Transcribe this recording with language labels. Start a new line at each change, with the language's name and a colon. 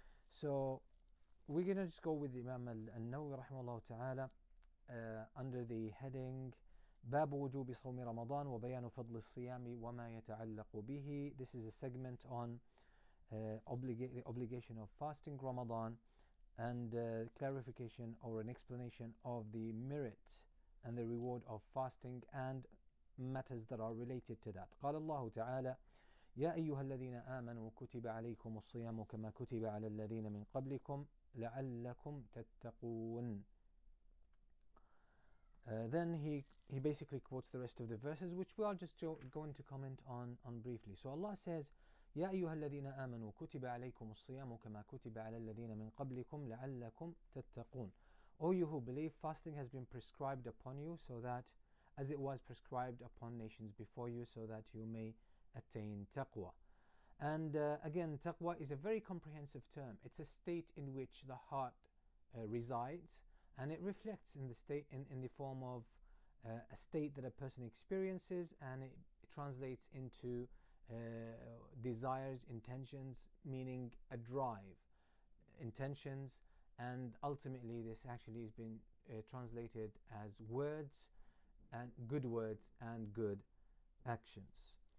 English: So we're going to just go with Imam al-Nawawi rahimahullah ta'ala under the heading
Arabic: باب وجوب صوم رمضان وبيان فضل الصيام وما يتعلق به.
English: This is a segment on the obligation of fasting Ramadan and clarification or an explanation of the merit and the reward of fasting and matters that are related to that.
Arabic: قال الله تعالى يا أيها الذين آمنوا كتب عليكم الصيام كما كتب على الذين من قبلكم لعلكم تتقون.
English: Then he basically quotes the rest of the verses, which we are just going to comment on briefly. So Allah says,
Arabic: يا أيها الذين آمنوا كتب عليكم الصيام كما كتب على الذين من قبلكم لعلكم تتقون.
English: O you who believe, fasting has been prescribed upon you so that, as it was prescribed upon nations before you, so that you may attain taqwa. And again, taqwa is a very comprehensive term. It's a state in which the heart resides, and it reflects in the state in the form of a state that a person experiences, and it translates into desires, intentions, meaning a drive, intentions, and ultimately this actually has been translated as words, and good words and good actions.